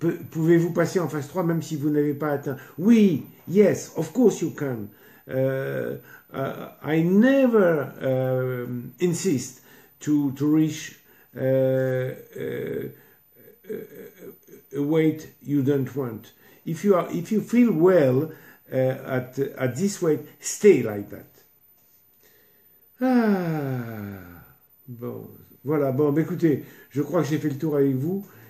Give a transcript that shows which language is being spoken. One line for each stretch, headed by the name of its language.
French: Pouvez-vous passer en phase 3 même si vous n'avez pas atteint? Oui,
English: yes, of course you can. I never insist to reach a weight you don't want. If you feel well at this weight, stay like that.
French: Bon, voilà, bon, mais écoutez, je crois que j'ai fait le tour avec vous.